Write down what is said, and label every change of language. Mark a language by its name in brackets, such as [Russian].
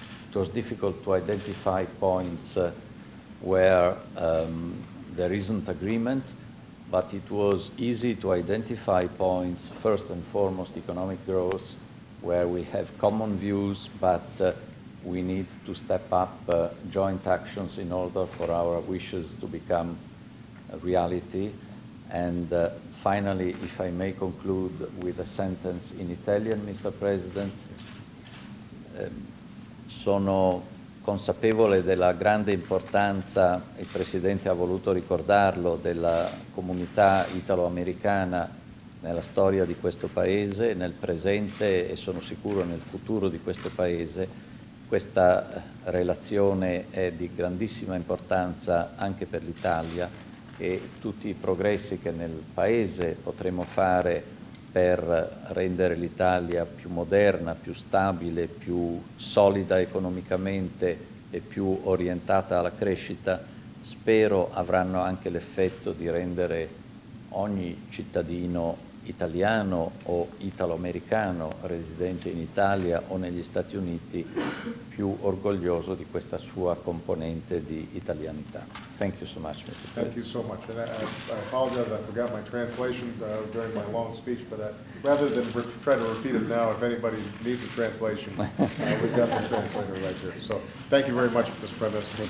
[English] It was difficult to identify points where there isn't agreement, but it was easy to identify points, first and foremost economic growth, where we have common views, but we need to step up joint actions in order for our wishes to become a reality. And finally, if I may conclude with a sentence in Italian, Mr. President, [Italian] sono consapevole della grande importanza, il Presidente ha voluto ricordarlo, della comunità italo-americana nella storia di questo Paese, nel presente e sono sicuro nel futuro di questo Paese. Questa relazione è di grandissima importanza anche per l'Italia e tutti i progressi che nel Paese potremo fare per rendere l'Italia più moderna, più stabile, più solida economicamente e più orientata alla crescita, spero avranno anche l'effetto di rendere ogni cittadino italiano o italo-americano residente in Italia o negli Stati Uniti più orgoglioso di questa sua componente di italianità. [English] Thank you so much, Mr. President. Thank you so much. And I apologize, I forgot my translation during my long speech, but rather than try to repeat it now, if anybody needs a translation, we've got the translator right here. So thank you very much, Mr. President.